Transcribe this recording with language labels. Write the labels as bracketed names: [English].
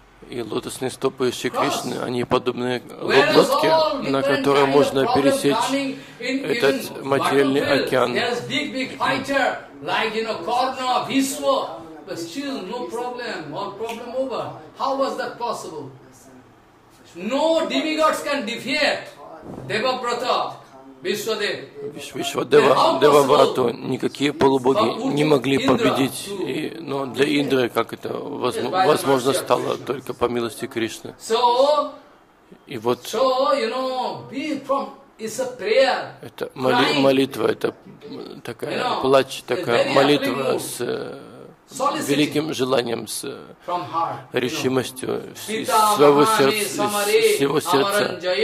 [Russian] И лотосные стопы Шри Кришны, они подобны лодке, на которой можно пересечь этот материальный океан. [English] There's big, big fighter, like, you know, Karna, Bhishma, but still no problem, all problem over. How was that possible? No demigods can defeat Devabrata, Vishwadeva. [Russian] Vishwadeva, Devabrata, никакие полубоги не могли победить. И, но для Индры как это возможно стало только по милости Кришны. [English] So, [Russian] и вот. [English] So, you know, be from, it's a prayer. [Russian] Это молитва, это такая плач, такая молитва с великим желанием, с решимостью, своего сердца.